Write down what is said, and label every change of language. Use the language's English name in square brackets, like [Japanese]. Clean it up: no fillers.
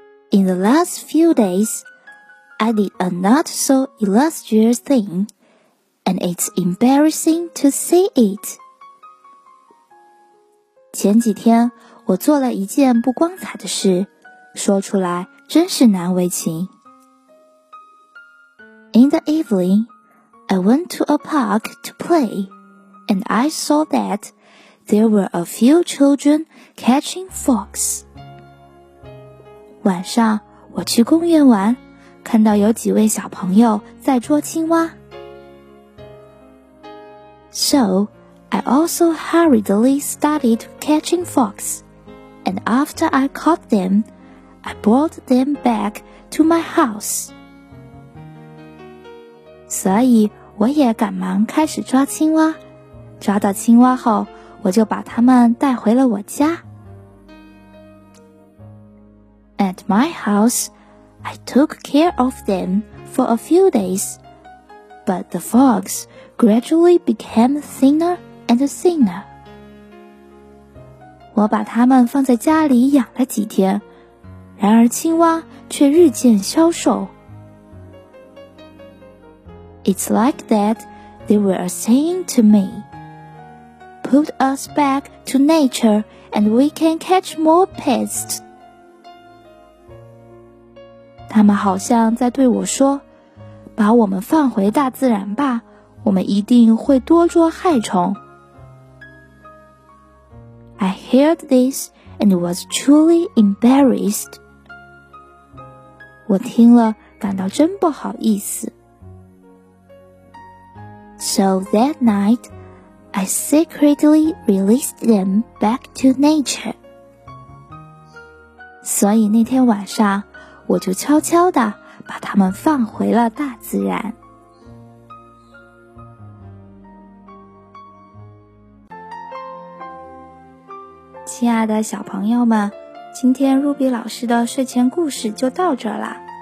[English] In the last few days, I did a not so illustrious thing, and it's embarrassing to see it. [Chinese] 前几天我做了一件不光彩的事，说出来真是难为情。 [English] In the evening, I went to a park to play, and I saw that there were a few children catching frogs. [Chinese] 晚上我去公园玩，看到有几位小朋友在捉青蛙。 [English] So, I also hurriedly started catching frogs, and after I caught them, I brought them back to my house. [Chinese] 所以我也赶忙开始抓青蛙，抓到青蛙后，我就把它们带回了我家。 [English] At my house,I took care of them for a few days, but the frogs gradually became thinner and thinner. [Chinese] 我把它们放在家里养了几天，然而青蛙却日渐消瘦。 [English] It's like that they were saying to me, put us back to nature and we can catch more pests. [Chinese] 他们好像在对我说，把我们放回大自然吧，我们一定会多捉害虫。 [English] I heard this and was truly embarrassed. [Chinese] 我听了感到真不好意思。 [English] So that night, I secretly released them back to nature. [Chinese] 所以那天晚上我就悄悄地把它们放回了大自然。亲爱的小朋友们，今天 Ruby 老师的睡前故事就到这儿了。